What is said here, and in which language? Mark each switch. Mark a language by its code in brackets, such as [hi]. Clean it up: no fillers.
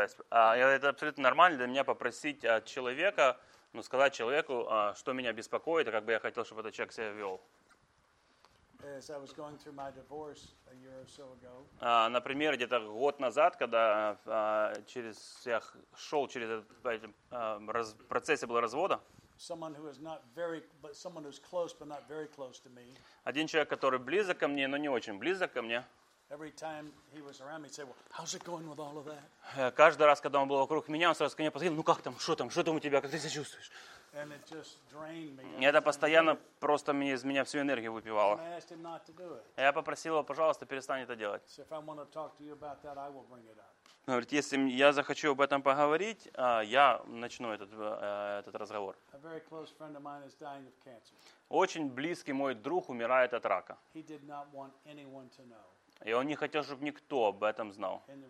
[ru] Это абсолютно нормально для меня попросить от человека, ну, сказать человеку, что меня беспокоит, и как бы я хотел, чтобы этот человек себя вел. [en] As I was going through my divorce a year or so ago. [ru] Например, где-то год назад, когда я шел через этот процесс был развода. [en] Someone who is not very, but someone who's close, but not very close to me. [ru] Один человек, который близок ко мне, но не очень близок ко мне. [en] Every time he was around me, he'd say, "Well, how's it going with all of that?" [ru] Каждый раз, когда он был вокруг меня, он сразу ко мне подходил: "Ну как там? Что там? Что там у тебя? Как ты себя чувствуешь?" [en] And it just drained me. [ru] Это постоянно просто из меня всю энергию выпивало. [en] And I asked him not to do it. [ru] Я попросил его, пожалуйста, перестань это делать. [en] So if I want to talk to you about that, I will bring it up. [ru] Говорит, если я захочу об этом поговорить, я начну этот разговор. [en] A very close friend of mine is dying of cancer. [ru] Очень близкий мой друг умирает от рака. [en] He did not want anyone to know. [ru] И он не хотел, чтобы никто об этом знал.